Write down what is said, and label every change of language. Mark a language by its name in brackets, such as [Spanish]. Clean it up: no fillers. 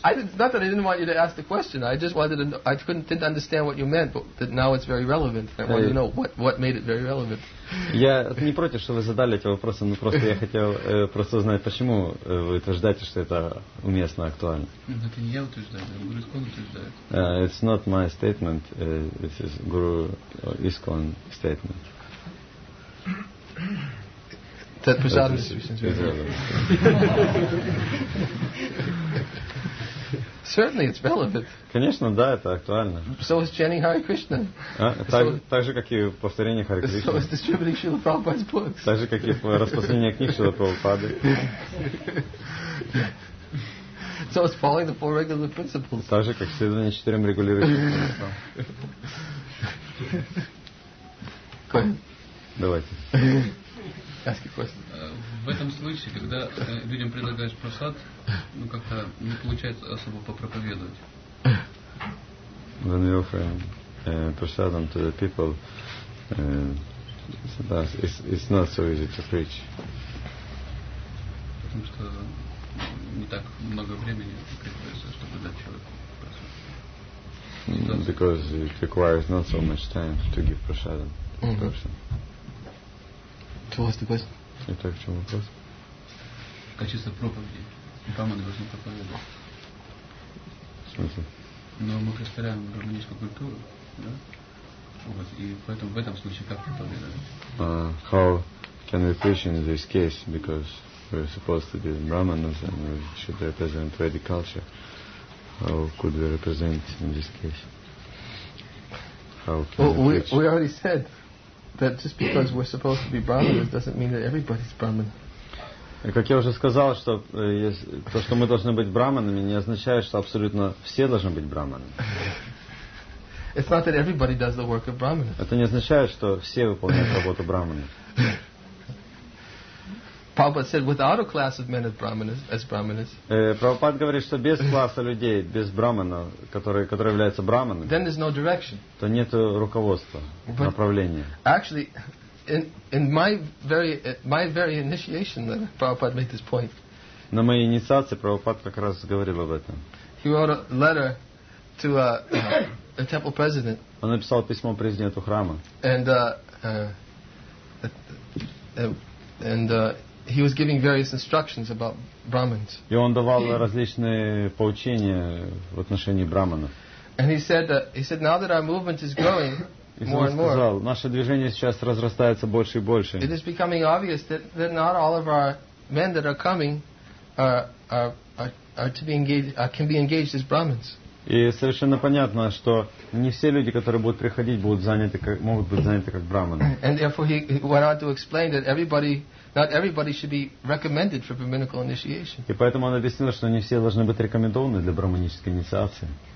[English] it's not that I didn't want you to ask the question. I just wanted to. I didn't understand what you meant, but that now it's very relevant. I wanted to know what made it very relevant. [Russian] Я не против, что вы задали эти вопросы, но просто я хотел просто узнать, почему вы утверждаете, что это уместно, актуально. Это не я утверждаю, Гуру Искон утверждает. [English] It's not my statement. This is Guru Iskon statement. That prasadam distribution is relevant. Certainly, it's relevant. [Russian] Конечно, да, это актуально. [English] So is chanting Hare Krishna. [Russian] Так же, как и повторение Hare Krishna. [English] So is distributing Srila Prabhupada's books. [Russian] Так же, как и распространение книг Шрилы Прабхупады. [English] So it's following the four regular principles. [Russian] Так же, как следование четырем регулирующим принципам. Давайте. [English] Ask a question. [Russian] В этом случае, когда людям предлагаешь просад, ну как-то не получается особо попроповедовать. [English] When we offer prasadam to the people, it's not so easy to preach. [Russian] Потому что не так много времени требуется, чтобы дать человеку просад. [English] Because it requires not so much time to give prasadam to the person. To ask the question. [Russian] Итак, в чем вопрос? В качестве проповеди. Браманы должны проповедовать. В смысле? Но мы представляем браманическую культуру, да? Вот. И поэтому в этом случае как проповедовать? [English] How can we preach in this case? Because we're supposed to be brahmanas and we should represent Vedic culture. How could we represent in this case? How can we preach? We already said. That just because we're supposed to be brahmanas doesn't mean that everybody's brahman. [Russian] Как я уже сказал, что то, что мы должны быть брахманами, не означает, что абсолютно все должны быть брахманами. [English] It's not that everybody does the work of brahmanas. [Russian] Это не означает, что все выполняют работу брахмана. [English] Prabhupada said, without a class of men as brahmanas. [Russian] Prabhupada говорит, что без класса людей, без брахманов, которые являются брахманами, [English] then there's no direction. [Russian] То нет руководства, направления. [English] Actually, in my very initiation, Prabhupada made this point. [Russian] На моей инициации Прабхупад как раз говорил об этом. [English] He wrote a letter to a temple president. [Russian] Он написал письмо президенту храма. [English] And he was giving various instructions about Brahmins. [Russian] И он давал различные поучения в отношении брахманов. [English] And he said now that our movement is growing more and more. [Russian] Сказал, наше движение сейчас разрастается больше и больше. [English] It is becoming obvious that not all of our men that are coming can be engaged as Brahmins. [Russian] И совершенно понятно, что не все люди, которые будут приходить, могут быть заняты как брахманы. [English] And therefore he went on to explain that not everybody should be recommended for brahminical initiation. [Russian] И поэтому он объяснил, что не все должны быть рекомендованы для брахманической инициации.